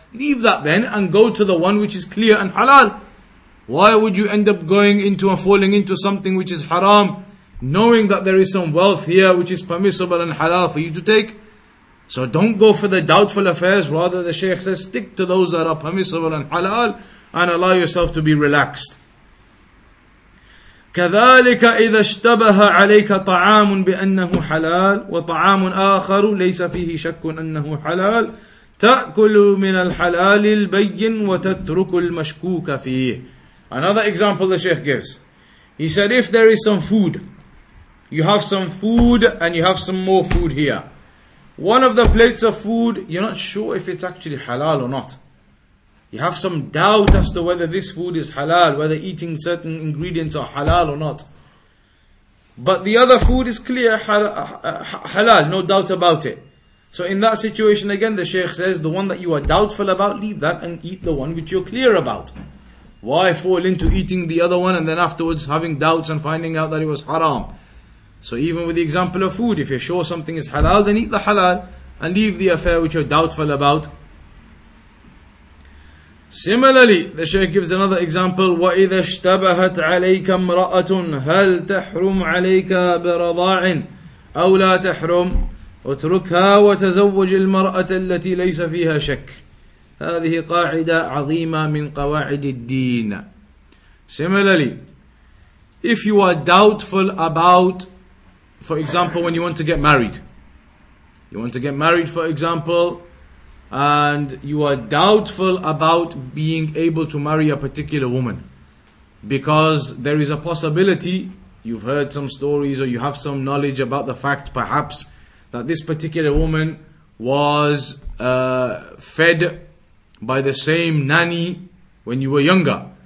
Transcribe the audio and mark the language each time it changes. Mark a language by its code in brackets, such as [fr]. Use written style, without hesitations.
[en] Leave that then and go to the one which is clear and halal. Why would you end up going into and falling into something which is haram, knowing that there is some wealth here which is permissible and halal for you to take? So don't go for the doubtful affairs, rather the Shaykh says, stick to those that are permissible and halal, and allow yourself to be relaxed. [ar] كذلك إذا اشتبه عليك طعام بأنه حلال وطعام آخر ليس فيه شك أنه حلال تأكل من الحلال البين وتترك المشكوك فيه. [en] Another example the Sheikh gives. He said, if there is some food, you have some food and you have some more food here. One of the plates of food, you're not sure if it's actually halal or not. You have some doubt as to whether this food is halal, whether eating certain ingredients are halal or not. But the other food is clear halal, no doubt about it. So in that situation again, the Shaykh says, the one that you are doubtful about, leave that and eat the one which you're clear about. Why fall into eating the other one and then afterwards having doubts and finding out that it was haram? So even with the example of food, if you're sure something is halal, then eat the halal and leave the affair which you're doubtful about. Similarly, the Shaykh gives another example. [ar] وَإِذَا اشْتَبَهَتْ عَلَيْكَ امْرَأَةٌ هَلْ تَحْرُمْ عَلَيْكَ بِرَضَاعٍ أَوْ لَا تَحْرُمْ وَتْرُكْهَا وَتَزَوَّجِ الْمَرْأَةَ الَّتِي لَيْسَ فِيهَا شَكٌّ. هذه قاعدة عظيمة من قواعد الدين. [en] Similarly, if you are doubtful about, for example, when you want to get married, you want to get married, for example, and you are doubtful about being able to marry a particular woman, because there is a possibility, you've heard some stories or you have some knowledge about the fact, perhaps, that this particular woman was fed by the same nanny when you were younger.